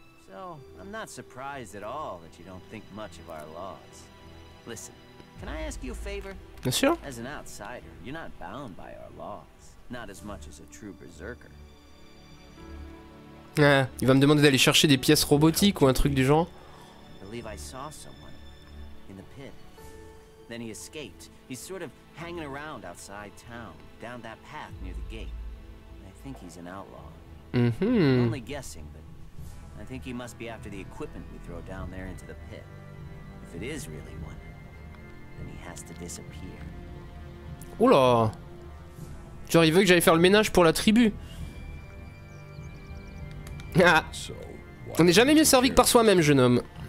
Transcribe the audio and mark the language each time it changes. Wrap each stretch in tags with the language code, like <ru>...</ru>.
<en>So, I'm not surprised at all that you don't think much of our laws. Listen, can I ask you a favor?</en> <fr>Bien sûr.</fr> <en>As an outsider, you're not bound by our laws. Not as much as a true berserker.</en> <fr>Ah, il va me demander d'aller chercher des pièces robotiques ou un truc du genre.</fr> <en>I believe I saw someone in the pit. Then he escaped. He's sort of hanging around outside town, down that path near the gate. I think he's an outlaw. Mm-hmm. I'm only guessing, but I think he must be after the equipment we throw down there into the pit. If it is really one, then he has to disappear. Oula.</en> <fr>Genre, il veut que j'aille faire le ménage pour la tribu. Ah. On n'est jamais mieux servi que par soi-même, jeune homme.</fr>